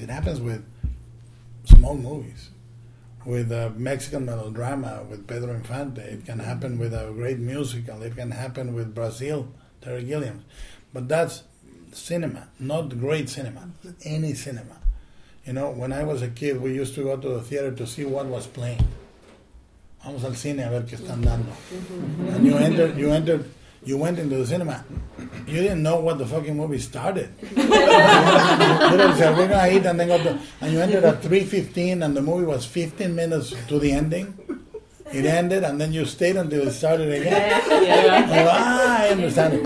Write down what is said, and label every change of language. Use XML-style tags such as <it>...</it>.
<en>It happens with small movies, with a Mexican melodrama with Pedro Infante. It can happen with a great musical. It can happen with Brazil, Terry Gilliam. But that's cinema, not great cinema, any cinema. You know, when I was a kid, we used to go to the theater to see what was playing.</en> <es>Vamos al cine a ver qué están dando.</es> <en>And you entered, you went into the cinema. You didn't know what the fucking movie started. We're gonna eat and then go to, and you entered at 3:15 and the movie was 15 minutes to the ending. It ended and then you stayed until it started again. I understand it.</en>